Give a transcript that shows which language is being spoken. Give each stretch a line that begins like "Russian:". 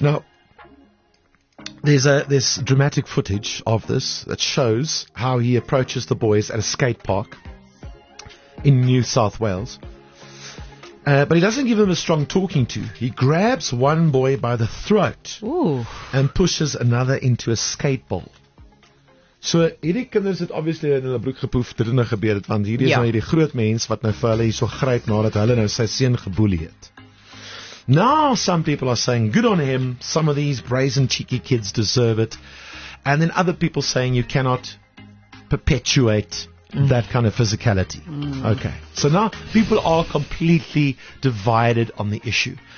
English: Now, there's this dramatic footage of this that shows how he approaches the boys at a skate park in New South Wales. But he doesn't give him a strong talking to. He grabs one boy by the throat. Ooh. And pushes another into a skate bowl.
Afrikaans: So hierdie kinders het obviously in hulle broek gepoef, dit het nou gebeur, want hierdie is nou hierdie groot mens wat nou vir hulle hierso gryp nadat hulle nou sy seun geboelie het.
English: Now some people are saying good on him, some of these brazen cheeky kids deserve it. And then other people saying you cannot perpetuate that kind of physicality. Mm. Okay. So now people are completely divided on the issue.